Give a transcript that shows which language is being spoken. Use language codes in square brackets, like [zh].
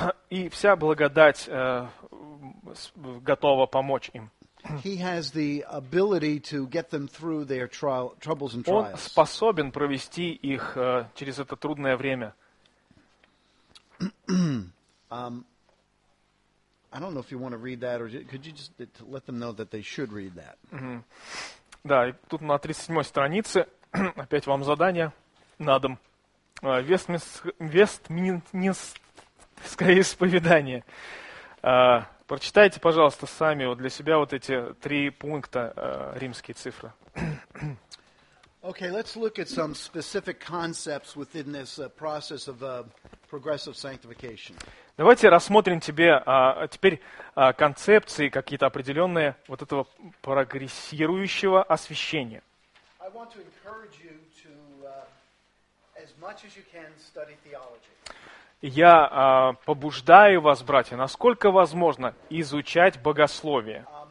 [ru] И вся благодать готова помочь им. [en] He has the ability to get them through their troubles and trials. [ru] Он способен провести их через это трудное время. [en] I don't know if you want to read that, or could you just let them know that they should read that? [ru] Да, и тут на 37-й странице опять вам задание на дом. Вестминстерское исповедание. Прочитайте, пожалуйста, сами вот для себя вот эти три пункта, римские цифры. [en] Okay, let's look at some specific concepts within this process of progressive sanctification. [ru] Давайте рассмотрим тебе теперь концепции какие-то определенные вот этого прогрессирующего освящения. [en] I want to encourage you to, as much as you can, study theology. [ru] Я побуждаю вас, братья, насколько возможно, изучать богословие.